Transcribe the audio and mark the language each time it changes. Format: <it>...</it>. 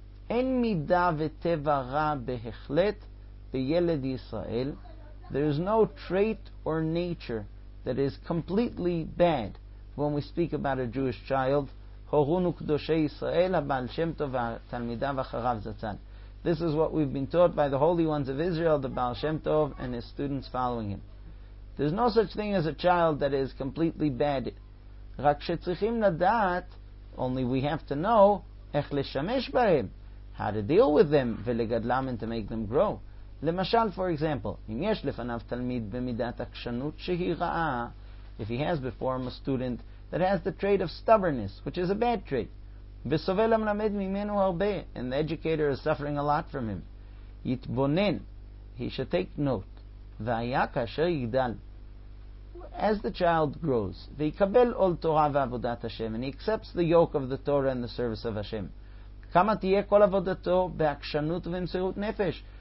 <he>אין מידה וטבע רע בהחלט בילד ישראל.</he> <en>There is no trait or nature that is completely bad when we speak about a Jewish child.</en> <he>הורונו קדושי ישראל, הבעל שם טוב והתלמידיו אחריו זצן.</he> <en>This is what we've been taught by the holy ones of Israel, the Baal Shem Tov and his students following him. There's no such thing as a child that is completely bad.</en> <he>רק שצריכים לדעת,</he> <en>only we have to know,</en> <he>איך לשמש בהם.</he> <en>How to deal with them,</en> <he>ולגדלם</he> <en>and to make them grow.</en> <he>למשל,</he> <en>for example,</en> <he>אם יש לפניו תלמיד במידת הקשנות שהיא רעה,</he> <en>if he has before him a student that has the trait of stubbornness, which is a bad trait,</en> <he>וסובל המלמד ממנו הרבה,</he> <en>and the educator is suffering a lot from him,</en> <he>יתבונן,</he> <en>he should take note,</en> <he>והיה כאשר יגדל,</he> <en>as the child grows,</en> <he>ויקבל עול תורה ועבודת השם,</he> <en>and he accepts the yoke of the Torah and the service of Hashem,</en> <he>כמה תהיה כל עבודתו בהקשנות ובמסירות נפש.</he>